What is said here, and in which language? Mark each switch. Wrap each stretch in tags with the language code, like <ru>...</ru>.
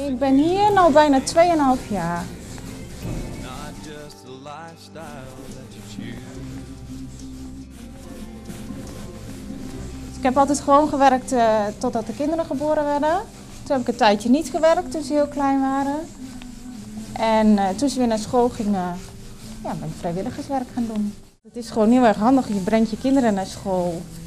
<nl>Ik ben hier al bijna 2,5 jaar.</nl> <en>Not just the lifestyle that you choose.</en> <nl>Ik heb altijd gewoon gewerkt totdat de kinderen geboren werden. Toen heb ik een tijdje niet gewerkt toen ze heel klein waren. En toen ze weer naar school gingen. Ja, ben ik vrijwilligerswerk gaan doen. Het is gewoon heel erg handig. Je brengt je kinderen naar school.</nl>